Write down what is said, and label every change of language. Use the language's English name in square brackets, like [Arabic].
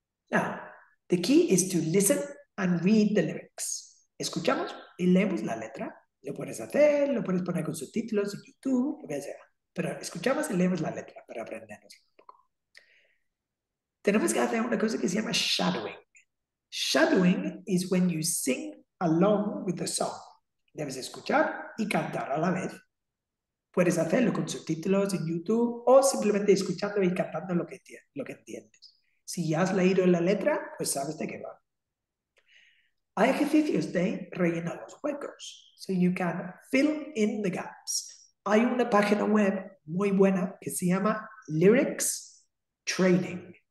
[English] Now, the key is to listen and read the lyrics. [Spanish] Escuchamos y leemos la letra. Lo puedes hacer, lo puedes poner con subtítulos en YouTube, lo que sea. Pero escuchamos y leemos la letra para aprendernos un poco. Tenemos que hacer una cosa que se llama shadowing. [English] Shadowing is when you sing along with the song. [Spanish] Debes escuchar y cantar a la vez. Puedes hacerlo con subtítulos en YouTube o simplemente escuchando y cantando lo que entiendes. Si ya has leído la letra, pues sabes de qué va. Hay ejercicios de rellenar los huecos. [English] So you can fill in the gaps. [Spanish] Hay una página web muy buena que se llama Lyrics Training.